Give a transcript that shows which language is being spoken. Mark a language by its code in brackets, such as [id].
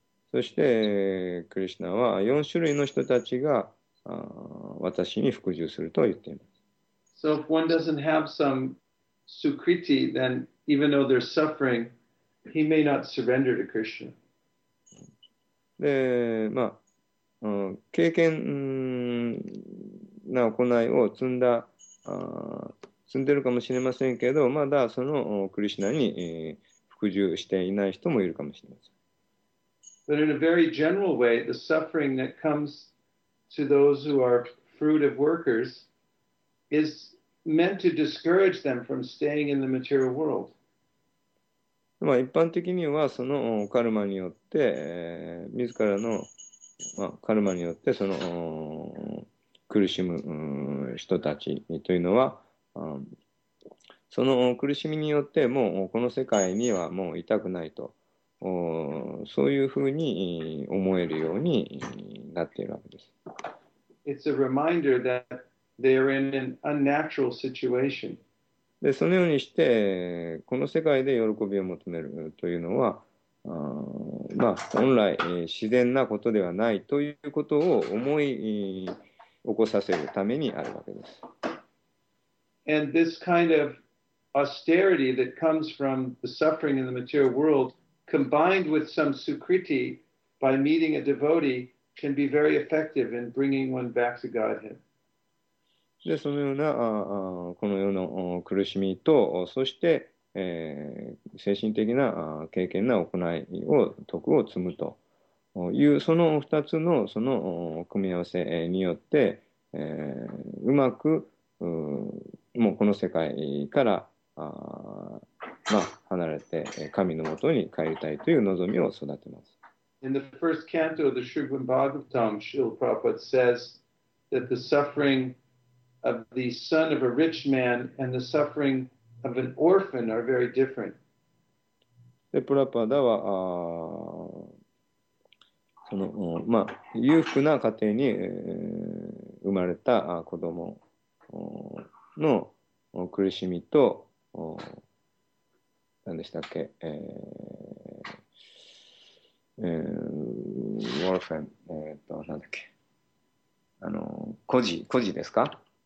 [ja] そして、クリシナは四種類の人たちが私に服従すると言っています。 [en] So if one doesn't have some sukriti, then even though they're suffering, he may not surrender to Krishna. [ja] で、まあ、経験な行いを積んだ、積んでるかもしれませんけど、まだそのクリシナに服従していない人もいるかもしれません。 [en] But in a very general way, the suffering that comes to those who are fruit of workers is meant to discourage them from staying in the material world. [ja] まあ、一般的にはそのカルマによって、自らの、まあ、カルマによってその苦しむ人たちというのは、その苦しみによってもうこの世界にはもういたくないと、そういうふうに思えるようになっているわけです。 [en] It's a reminder that they're in an unnatural situation. [ja] でそのようにしてこの世界で喜びを求めるというのは、まあ、本来自然なことではないということを思い起こさせるためにあるわけです。 [en] And this kind of austerity that comes from the suffering in the material world, combined with some sukriti by meeting a devotee, can be very effective in bringing one back to Godhead. [ja] でそのようなこの世の苦しみとそして、精神的な経験な行いを徳を積むというその2つのその組み合わせによって、うまくもうこの世界からまあ離れて神のもとに帰りたいという望みを育てます。 [en] In the first canto of the Srimad Bhagavatam, Srila Prabhupada says that the sufferingof the son of a rich man and the suffering of an orphan are very different. [ja] で、プラパダは、その、まあ、裕福な家庭に、生まれた子供の苦しみと、何でしたっけ、オルフェン、何だっけ、孤児ですか？